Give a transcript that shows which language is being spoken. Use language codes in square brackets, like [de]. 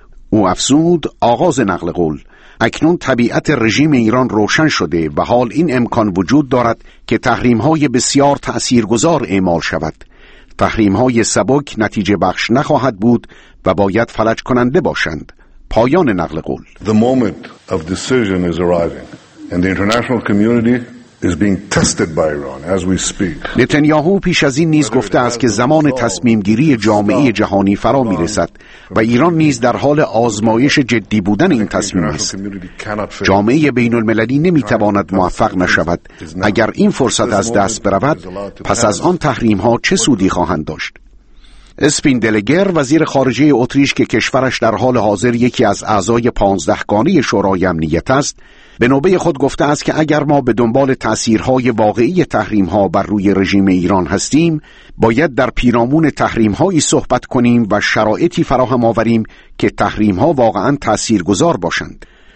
[fa] او افزود آغاز نقل قول: اکنون طبیعت رژیم ایران روشن شده و حال این امکان وجود دارد که تحریم‌های بسیار تأثیرگذار اعمال شود. تحریم‌های سبک نتیجه بخش نخواهد بود و باید فلج کننده باشند. پایان نقل قول. [en] The moment of decision is arriving and the international community is being tested by Iran as we speak. [fa] نتانیاهو پیش از این نیز گفته است که زمان تصمیم گیری جامعه جهانی فرا می رسد و ایران نیز در حال آزمایش جدی بودن این تصمیم است. جامعه بین المللی نمی تواند موفق نشود. اگر این فرصت از دست برود، پس از آن تحریم ها چه سودی خواهند داشت؟ اسپیندلگر وزیر خارجه اتریش که کشورش در حال حاضر یکی از اعضای 15 گانه شورای امنیت است، به نوبه خود گفته است که اگر ما به دنبال تأثیرهای واقعی تحریم‌ها بر روی رژیم ایران هستیم، باید در پیرامون تحریم‌هایی صحبت کنیم و شرایطی فراهم آوریم که تحریم‌ها واقعاً تأثیرگذار باشند.